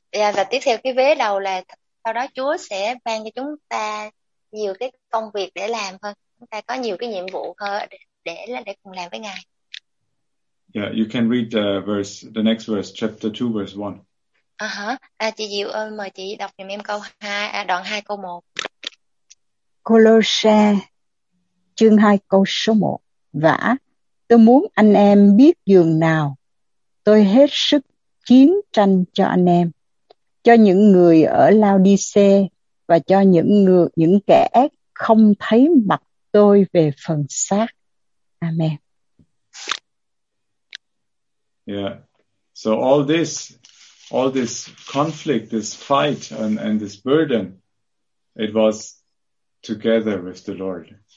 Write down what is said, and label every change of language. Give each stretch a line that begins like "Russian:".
Vietnamese: Và tiếp theo cái vế đầu là sau đó Chúa sẽ ban cho chúng ta nhiều cái công việc để làm hơn. Chúng ta có nhiều cái nhiệm vụ hơn để cùng làm với Ngài.
English: Yeah, you can read the next verse, chapter 2, verse 1.
Vietnamese: Chị Diệu ơi, mời chị đọc giùm em câu 2, đoạn 2 câu 1. Colossae chương 2 câu số 1. Vả, tôi muốn anh em biết dường nào tôi hết sức chiến tranh cho anh em, cho những người ở Laodice và cho những kẻ không thấy mặt tôi về phần xác.
English: Amen. Yeah. So all this conflict, this fight and this burden, it was together with the Lord.